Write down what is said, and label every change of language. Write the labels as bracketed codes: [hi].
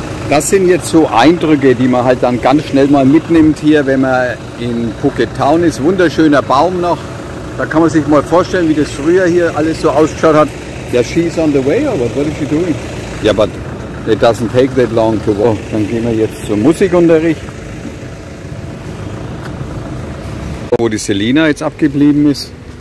[de] Das sind jetzt so Eindrücke, die man halt dann ganz schnell mal mitnimmt hier, wenn man in Phuket Town ist. Wunderschöner Baum noch. Da kann man sich mal vorstellen, wie das früher hier alles so ausgeschaut hat. [en] Yeah, she's on the way or what is she doing? Yeah, but it doesn't take that long to walk. [de] Dann gehen wir jetzt zum Musikunterricht. Wo die Selina jetzt abgeblieben ist.